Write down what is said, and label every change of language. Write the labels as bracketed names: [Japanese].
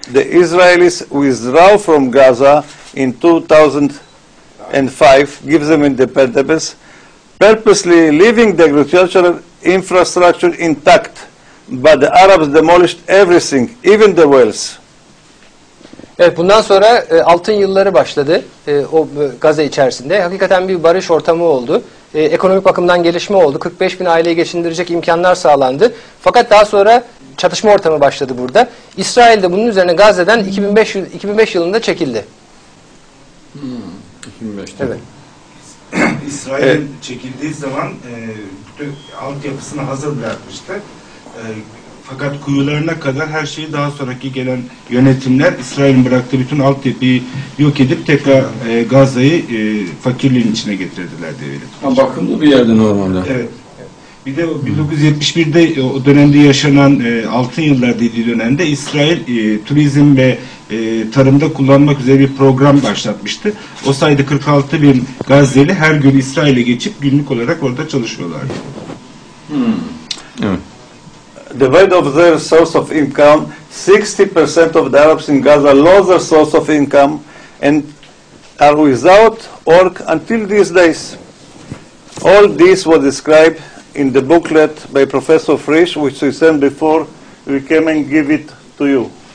[English] The Israelis withdrew from Gaza in 2005, gives them independence, purposely leaving the agricultural infrastructure intact. But the Arabs demolished everything, even the wells. [Turkish] Evet, bundan sonra altın yılları başladı o Gazze içerisinde. Hakikaten bir barış ortamı oldu. Ekonomik bakımdan gelişme oldu. 45 bin aileyi geçindirecek imkanlar sağlandı. Fakat daha sonra çatışma ortamı başladı burada. İsrail de bunun üzerine Gazze'den 2005 yılında çekildi. İsrail'in çekildiği zaman altyapısını hazır bırakmıştı. Fakat kuyularına kadar her şeyi daha sonraki gelen yönetimler İsrail'in bıraktığı bütün altyapıyı yok edip tekrar Gazze'yi fakirliğin içine getirdiler diyelim. Ha, bakımlı bir yerde normalde. Evet. Bir de 1971'de o dönemde yaşanan altın yıllar dediği dönemde İsrail turizm ve tarımda kullanmak üzere bir program başlatmıştı. O sayede 46 bin Gazze'li her gün İsrail'e geçip günlük olarak orada çalışıyorlardı. [English] The way of their source of income, 60% of the Arabs in Gaza lost their source of income and are without work until these days. All this was described in the booklet by Professor Frisch, which we sent before we came and give it to you.